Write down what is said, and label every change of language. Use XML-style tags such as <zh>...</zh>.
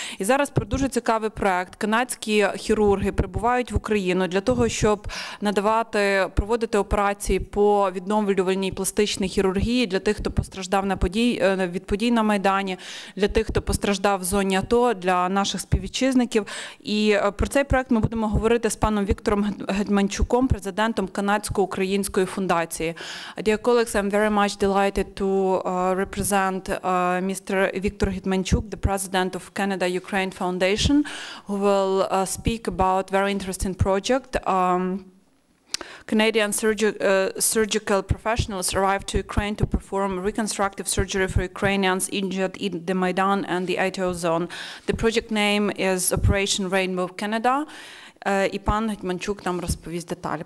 <uk>І зараз про дуже цікавий проект. Канадські хірурги прибувають в Україну для того, щоб надавати, проводити операції по відновлювальній пластичній хірургії для тих, хто постраждав від подій на Майдані, для тих, хто постраждав в зоні АТО, для наших співвітчизників. І про цей проект ми будемо говорити з паном Віктором Гетьманчуком, президентом Канадсько-Української фундації.</uk> <en>Very much delighted to represent Mr. Viktor Hetmanchuk, the president of Canada-Ukraine Foundation, who will speak about very interesting project. Canadian surgical professionals arrived to Ukraine to perform reconstructive surgery for Ukrainians injured in the Maidan and the ATO zone. The project name is Operation Rainbow Canada.</en> <uk>І пан Гетьманчук нам розповість деталі.</uk>